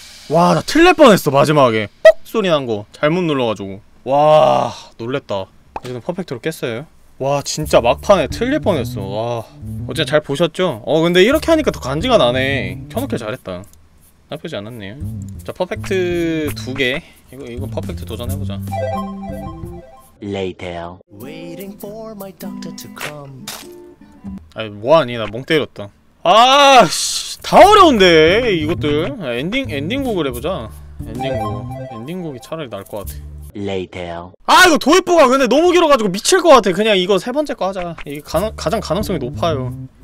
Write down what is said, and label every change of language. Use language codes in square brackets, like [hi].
[ko] 와 나 틀릴 뻔했어 마지막에 뽁 소리 난 거 잘못 눌러가지고 와 놀랬다. 이제는 퍼펙트로 깼어요. 와 진짜 막판에 틀릴 뻔했어. 와 어제 잘 보셨죠? 근데 이렇게 하니까 더 간지가 나네. 켜놓길 잘했다. 나쁘지 않았네요. 자 퍼펙트 두 개 이거 퍼펙트 도전해보자. [en] Later. Waiting for my doctor to come. [ko] 아니 뭐하니 나 멍 때렸다. 아씨 다 어려운데 이것들. 엔딩곡을 해보자. 엔딩곡이 차라리 나을 것 같아. [en] Later. [ko] 아 이거 도입부가 근데 너무 길어가지고 미칠 것 같아. 그냥 이거 세 번째 거 하자. 이게 가장 가능성이 높아요.